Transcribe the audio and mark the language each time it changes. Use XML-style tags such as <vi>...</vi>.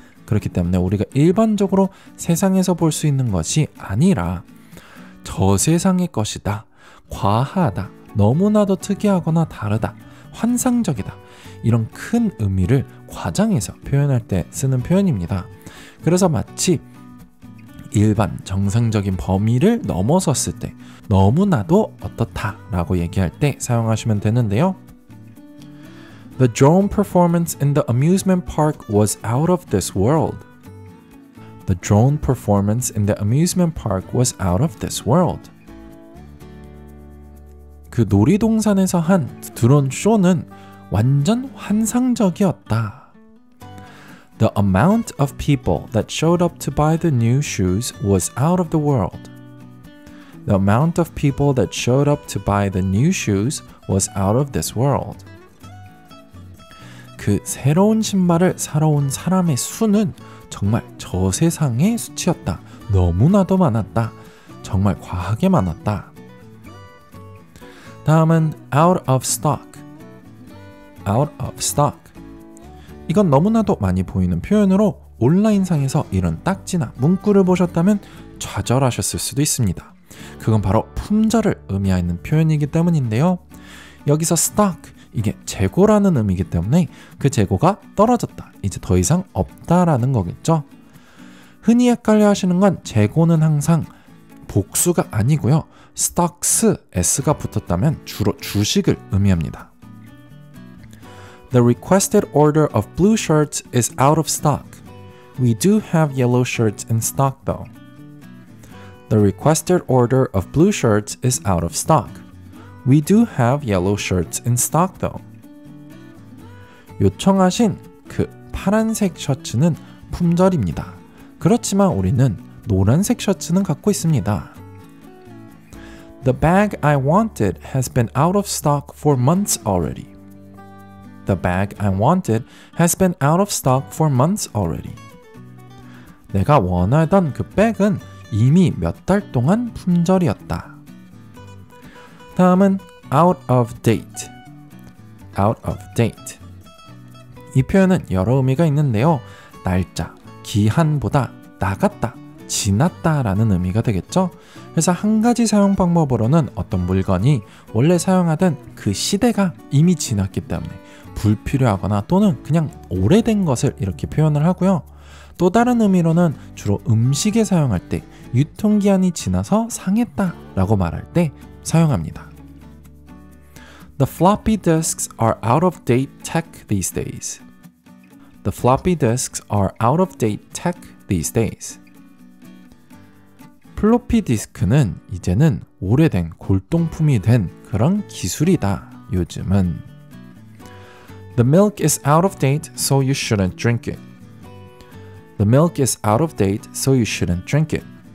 <ko>그렇기 때문에 우리가 일반적으로 세상에서 볼 수 있는 것이 아니라 저 세상의 것이다, 과하다, 너무나도 특이하거나 다르다, 환상적이다, 이런 큰 의미를 과장해서 표현할 때 쓰는 표현입니다. 그래서 마치 일반 정상적인 범위를 넘어섰을 때 너무나도 어떻다 라고 얘기할 때 사용하시면 되는데요.</ko> <en>The drone performance in the amusement park was out of this world. The drone performance in the amusement park was out of this world.</en> <ko>그 놀이동산에서 한 드론 쇼는 완전 환상적이었다.</ko> <en>The amount of people that showed up to buy the new shoes was out of the world. The amount of people that showed up to buy the new shoes was out of this world.</en> <ko>그 새로운 신발을 사러 온 사람의 수는 정말 저 세상의 수치였다. 너무나도 많았다. 정말 과하게 많았다. 다음은</ko> <en>out of stock. out of stock.</en> <ko>이건 너무나도 많이 보이는 표현으로 온라인상에서 이런 딱지나 문구를 보셨다면 좌절하셨을 수도 있습니다. 그건 바로 품절을 의미하는 표현이기 때문인데요. 여기서 stock 이게 재고라는 의미이기 때문에 그 재고가 떨어졌다, 이제 더 이상 없다라는 거겠죠. 흔히 헷갈려 하시는 건 재고는 항상 복수가 아니고요. stocks, s가 붙었다면 주로 주식을 의미합니다.</ko> <en>The requested order of blue shirts is out of stock. We do have yellow shirts in stock though. The requested order of blue shirts is out of stock. We do have yellow shirts in stock though.</en> <ko>요청하신 그 파란색 셔츠는 품절입니다. 그렇지만 우리는 노란색 셔츠는 갖고 있습니다.</ko> <en>The bag I wanted has been out of stock for months already. The bag I wanted has been out of stock for months already.</en> <ko>내가 원하던 그 백은 이미 몇 달 동안 품절이었다. 다음은</ko> <en>out of date. out of date.</en> <ko>이 표현은 여러 의미가 있는데요. 날짜, 기한보다 나갔다, 지났다 라는 의미가 되겠죠. 그래서 한 가지 사용 방법으로는 어떤 물건이 원래 사용하던 그 시대가 이미 지났기 때문에 불필요하거나 또는 그냥 오래된 것을 이렇게 표현을 하고요. 또 다른 의미로는 주로 음식에 사용할 때 유통기한이 지나서 상했다 라고 말할 때 사용합니다.</ko> <en>The floppy disks are out of date tech these days. The floppy disks are out of date tech these days.</en> <ko>플로피 디스크는 이제는 오래된 골동품이 된 그런 기술이다, 요즘은.</ko> <en>The milk is out of date, so you shouldn't drink it. The milk is out of date, so you shouldn't drink it.</en>